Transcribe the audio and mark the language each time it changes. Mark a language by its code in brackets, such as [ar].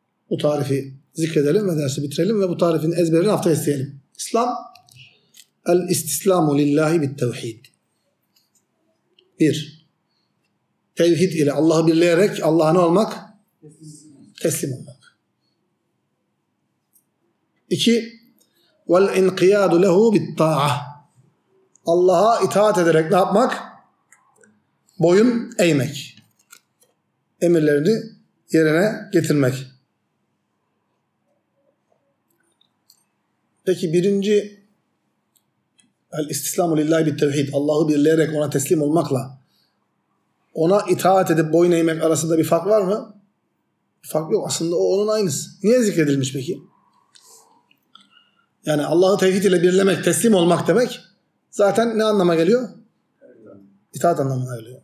[tr] Bu tarifi zikredelim ve dersi bitirelim ve bu tarifin ezberini hafta isteyelim. [ar] İslam, el-istislamu lillahi bit-tevhid. [tr] Bir, tevhid ile Allah'ı birleyerek Allah'a ne olmak? Teslim olmak. İki, [ar] وَالْاِنْقِيَادُ لَهُ بِالطَّاعَةِ. [tr] Allah'a itaat ederek ne yapmak? Boyun eğmek. Emirlerini yerine getirmek. Peki birinci, [ar] الْاِسْتِسْلَامُ لِلّٰهِ بِالْتَوْحِيدِ. [tr] Allah'ı birleyerek ona teslim olmakla ona itaat edip boyun eğmek arasında bir fark var mı? Bir fark yok. Aslında o onun aynısı. Niye zikredilmiş peki? Yani Allah'ı tevhid ile birlemek, teslim olmak demek zaten ne anlama geliyor? İtaat anlamına geliyor.